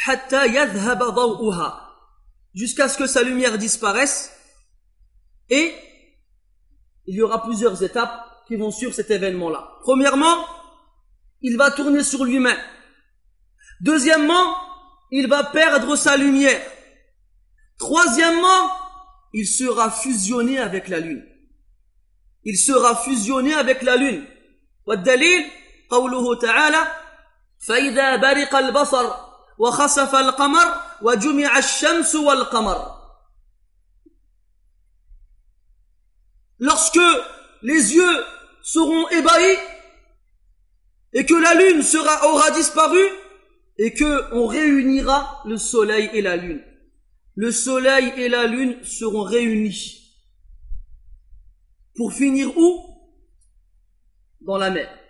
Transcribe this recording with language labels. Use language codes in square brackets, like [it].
[ar] Hatta yadhhaba dawuha. [fr] Jusqu'à ce que sa lumière disparaisse, et il y aura plusieurs étapes qui vont suivre cet événement-là. Premièrement, il va tourner sur lui-même. Deuxièmement, il va perdre sa lumière. Troisièmement, il sera fusionné avec la lune. Il sera fusionné avec la lune. [ar] والدليل قوله تعالى فإذا برق البصر وخسف القمر وجمع الشمس والقمر. [fr] Lorsque les yeux seront ébahis et que la lune aura disparu et que on réunira le soleil et la lune. Le soleil et la lune seront réunis. Pour finir où? Dans la mer.